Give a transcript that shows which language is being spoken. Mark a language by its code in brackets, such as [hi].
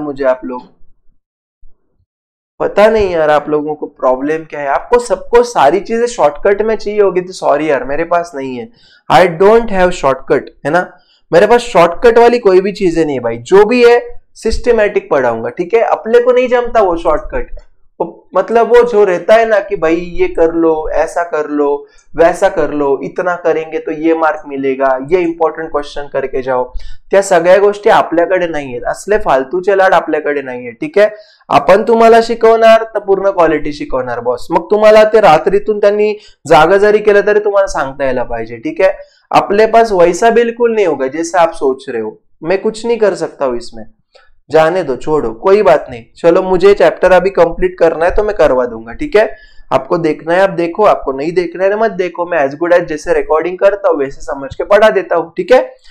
[hi] मुझे आप लोग पता नहीं यार आप लोगों को प्रॉब्लम क्या है, आपको सबको सारी चीजें शॉर्टकट में चाहिए होगी तो सॉरी यार मेरे पास नहीं है, [en] I don't have shortcut, [hi] है ना। मेरे पास शॉर्टकट वाली कोई भी चीजें नहीं है भाई, जो भी है सिस्टमैटिक पढ़ाऊंगा, ठीक है। अपने को नहीं जमता वो शॉर्टकट, मतलब वो जो रहता है ना कि भाई ये कर लो, ऐसा कर लो, वैसा कर लो, इतना करेंगे तो ये मार्क मिलेगा, ये इम्पॉर्टेंट क्वेश्चन करके जाओ, [mr] त्या सगळ्या गोष्टी आपल्याकडे नाही आहेत, असले फालतूचे लाड आपल्याकडे नाही आहे, ठीक आहे। आपण तुम्हाला शिकवणार तर पूर्ण क्वालिटी शिकवणार बॉस, मग तुम्हाला ते रात्रीतून त्यांनी जागा जरी केलं तरी तुम्हाला सांगता यायला पाहिजे, ठीक आहे। [hi] आपले पास वैसा बिलकुल नाही होगा जैसे आप सोच रहे हो, मैं कुछ नहीं कर सकता हूँ इसमें, जाने दो छोड़ो, कोई बात नहीं। चलो मुझे चैप्टर अभी कंप्लीट करना है तो मैं करवा दूंगा, ठीक है। आपको देखना है आप देखो, आपको नहीं देखना है मत देखो, मैं एज गुड एज जैसे रिकॉर्डिंग करता हूँ वैसे समझ के पढ़ा देता हूँ, ठीक है।